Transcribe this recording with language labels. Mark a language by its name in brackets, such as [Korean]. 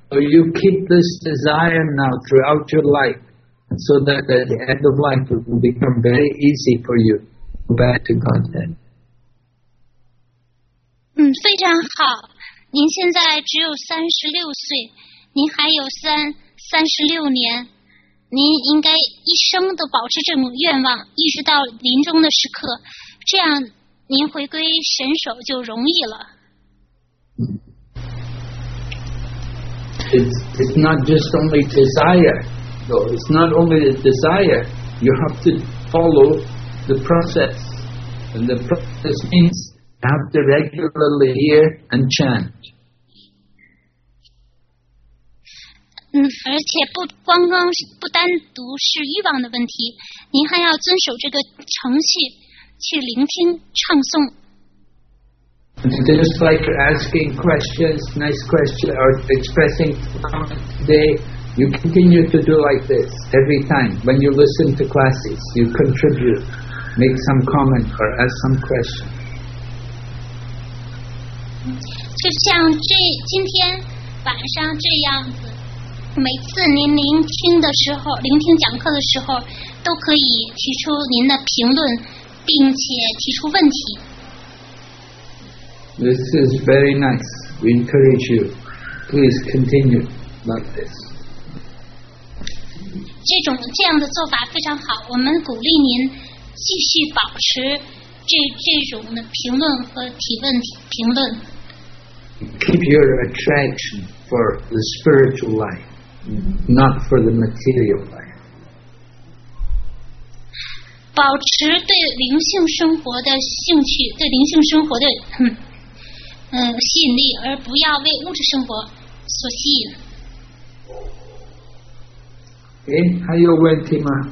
[English] So you keep this desire now throughout your life. So that at the end of life it will become very easy for you to go back to Godhead. [Chinese] 非常好。您现在只有36岁，您还有36年，您应该一生都保持这种愿望，一直到临终的时刻，这样您回归神手就容易了。 [English] It's not just only desire. So it's not only the desire, You have to follow the process. And the process means you have to regularly hear and chant. [Chinese] 而且 不单独是欲望的问题，您还要遵守这个程序去聆听唱诵。 [English] Just like asking questions, nice questions, or expressing today, you continue to do like this every time. When you listen to classes, you contribute, make some comment, or ask some questions. [Chinese] 就像这今天晚上这样子，每次您聆听的时候，聆听讲课的时候，都可以提出您的评论，并且提出问题。 [English] This is very nice. We encourage you. Please continue like this. [Chinese] 这样的做法非常好，我们鼓励您继续保持 这种的评论和提问评论。 [English] Keep your attraction for the spiritual life, not for the material life. [Chinese] 保持对灵性生活的兴趣，对灵性生活的吸引力，而不要为物质生活所吸引。哎，还有问题吗？